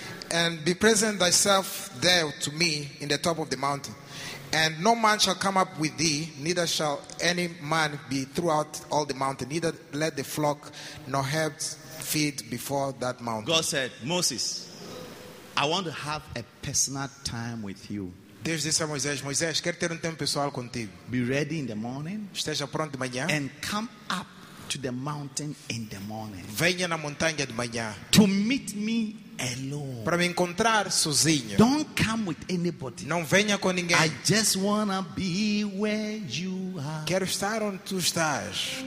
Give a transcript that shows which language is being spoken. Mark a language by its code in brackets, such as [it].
[en] And be present thyself there to me in the top of the mountain. And no man shall come up with thee, neither shall any man be throughout all the mountain, neither let the flock nor herds feed before that mountain. God said, Moses, I want to have a personal time with you. [pt] Deus disse a Moisés, Moisés, quero ter tempo pessoal contigo. [en] Be ready in the morning. [pt] Esteja pronto de manhã. [en] And come up to the mountain in the morning. [pt] Venha na montanha de manhã. [en] To meet me alone. [pt] Para me encontrar sozinho. [en] Don't come with anybody. [pt] Não venha com ninguém. [en] I just wanna be where you are. [pt] Quero estar onde tu estás.